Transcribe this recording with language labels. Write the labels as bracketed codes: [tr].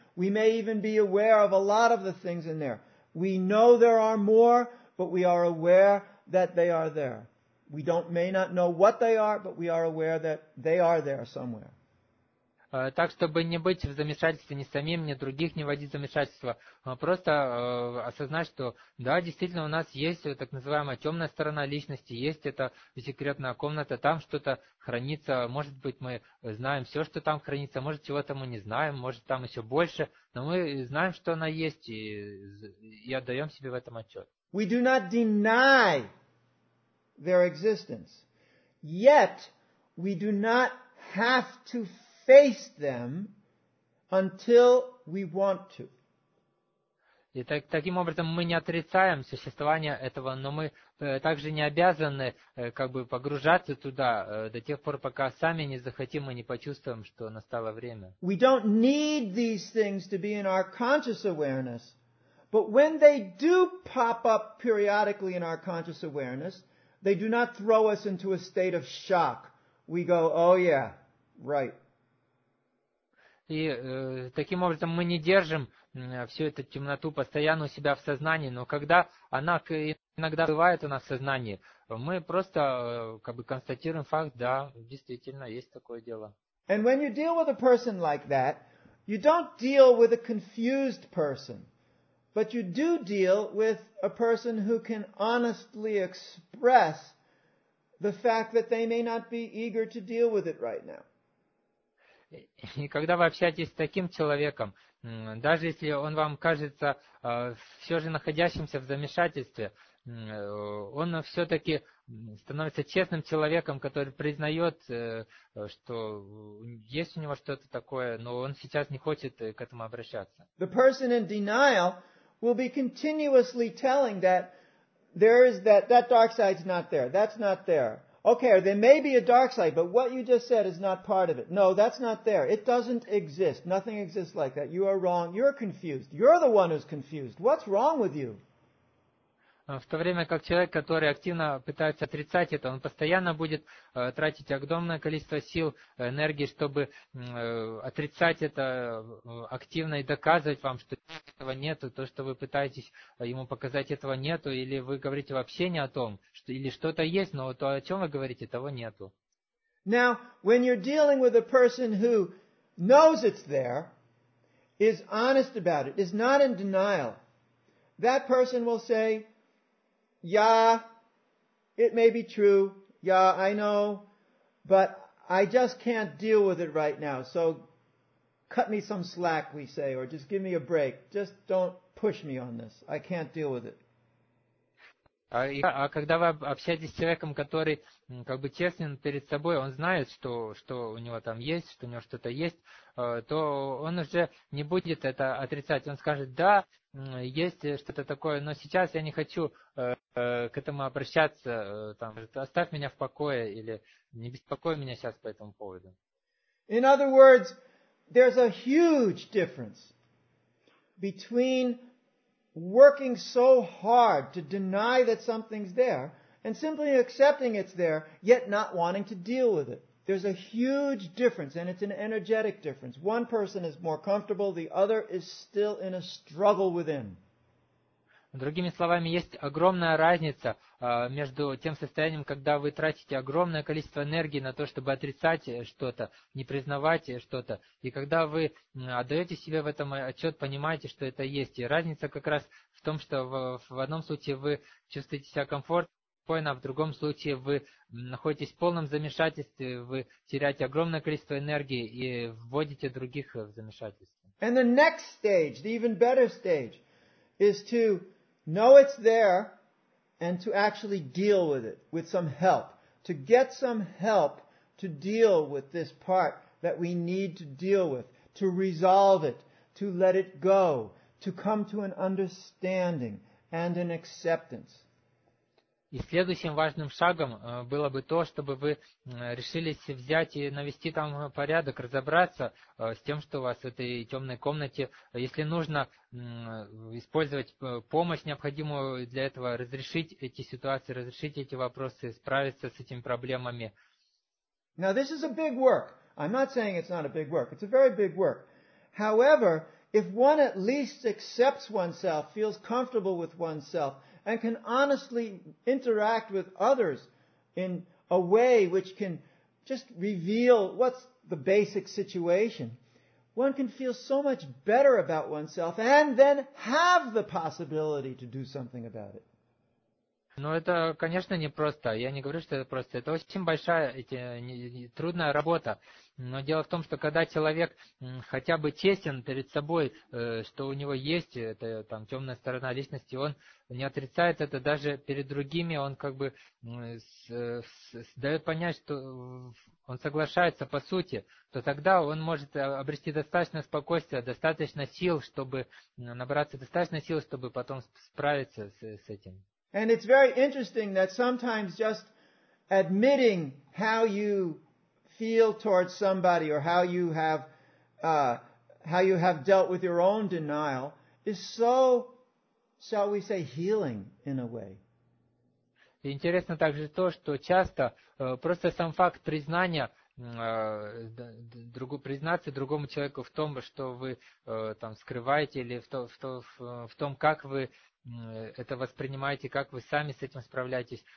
[en] We may even be aware of a lot of the things in there. We know there are more, but we are aware that they are there. We don't may not know what they are, but we are aware that they are there somewhere. [ru] Так, чтобы не быть в замешательстве ни самим, ни других, не вводить замешательство, а просто осознать, что да, действительно, у нас есть так называемая темная сторона личности, есть эта секретная комната, там что-то хранится, может быть, мы знаем все, что там хранится, может, чего-то мы не знаем, может, там еще больше, но мы знаем, что она есть, и отдаем себе в этом отчет. [en] We do not deny their existence, yet we do not have to face them until we want to. [ru] И так, таким образом мы не отрицаем существование этого, но мы также не обязаны как бы погружаться туда до тех пор, пока сами не захотим и не почувствуем, что настало время. [en] We don't need these things to be in our conscious awareness, but when they do pop up periodically in our conscious awareness, they do not throw us into a state of shock. We go, oh yeah, right. [ru] И таким образом мы не держим всю эту темноту постоянно у себя в сознании, но когда она иногда бывает у нас в сознании, мы просто как бы констатируем факт, да, действительно, есть такое дело. [en] And when you deal with a person like that, you don't deal with a confused person, but you do deal with a person who can honestly express the fact that they may not be eager to deal with it right now. [ru] И когда вы общаетесь с таким человеком, даже если он вам кажется все же находящимся в замешательстве, он все-таки становится честным человеком, который признает, что есть у него что-то такое, но он сейчас не хочет к этому обращаться. [en] The person in denial will be continuously telling that there is that dark side's not there, that's not there. Okay, there may be a dark side, but what you just said is not part of it. No, that's not there. It doesn't exist. Nothing exists like that. You are wrong. You're confused. You're the one who's confused. What's wrong with you? [ru] В то время как человек, который активно пытается отрицать это, он постоянно будет тратить огромное количество сил, энергии, чтобы отрицать это активно и доказывать вам, что этого нету, то, что вы пытаетесь ему показать, этого нету, или вы говорите вообще не о том, что, или что-то есть, но то, о чем вы говорите, того нету. [en] Now, when you're dealing with a person who knows it's there, is honest about it, is not in denial, that person will say, yeah, it may be true. Yeah, I know. But I just can't deal with it right now, so cut me some slack, we say, or just give me a break. Just don't push me on this. I can't deal with it. [ru] А когда вы общаетесь с человеком, который как бы честен перед собой, он знает, что у него там есть, что у него что-то есть, то он уже не будет это отрицать. Он скажет, да, есть что-то такое, но сейчас я не хочу к этому обращаться, там, оставь меня в покое или не беспокой меня сейчас по этому поводу. [en] In other words, there's a huge difference between working so hard to deny that something's there and simply accepting it's there, yet not wanting to deal with it. There's a huge difference, and it's an energetic difference. One person is more comfortable, the other is still in a struggle within. [ru] Другими словами, есть огромная разница между тем состоянием, когда вы тратите огромное количество энергии на то, чтобы отрицать что-то, не признавать что-то, и когда вы отдаете себе в этом отчет, понимаете, что это есть. И разница как раз в том, что в одном случае вы чувствуете себя комфортно, а в другом случае вы находитесь в полном замешательстве, вы теряете огромное количество энергии и вводите других в замешательство. [en] And the next stage, the even better stage, is to know it's there and to actually deal with it, with some help. To get some help to deal with this part that we need to deal with, to resolve it, to let it go, to come to an understanding and an acceptance. [ru] И следующим важным шагом было бы то, чтобы вы решились взять и навести там порядок, разобраться с тем, что у вас в этой темной комнате. Если нужно использовать помощь необходимую для этого, разрешить эти ситуации, разрешить эти вопросы, справиться с этими проблемами. [en] Now this is a big work. I'm not saying it's not a big work. It's a very big work. However, if one at least accepts oneself, feels comfortable with oneself, and can honestly interact with others in a way which can just reveal what's the basic situation, one can feel so much better about oneself and then have the possibility to do something about it. [ru] Но это, конечно, не просто. Я не говорю, что это просто. Это очень большая, трудная работа. Но дело в том, что когда человек хотя бы честен перед собой, что у него есть эта там темная сторона личности, он не отрицает это даже перед другими. Он как бы дает понять, что он соглашается по сути. То тогда он может обрести достаточно спокойствия, достаточно сил, чтобы набраться достаточно сил, чтобы потом справиться с этим. [en] And it's very interesting that sometimes just admitting how you feel towards somebody or how you have dealt with your own denial is so, shall we say, healing in a way. [ru] Интересно также то, что часто просто сам факт признания признаться другому человеку в том, что вы там скрываете или в том, как вы это воспринимаете, как вы сами с этим справляетесь.